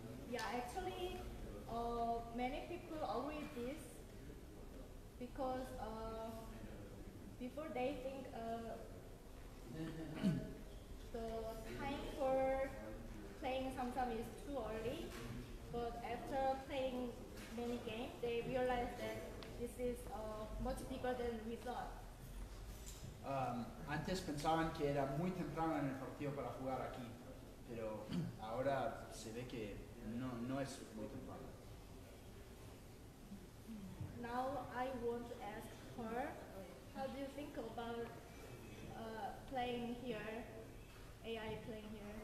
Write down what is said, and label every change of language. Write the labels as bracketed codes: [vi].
[en] Yeah, actually, many people agree this because before they think the time for playing sometimes is too early, but after playing many games, they realize that this is much bigger than we thought. [es] Antes pensaban que era muy temprano en el partido para jugar aquí, pero ahora se ve que no es muy temprano. [en] Now I want to ask her, how do you think about playing here, AI playing here?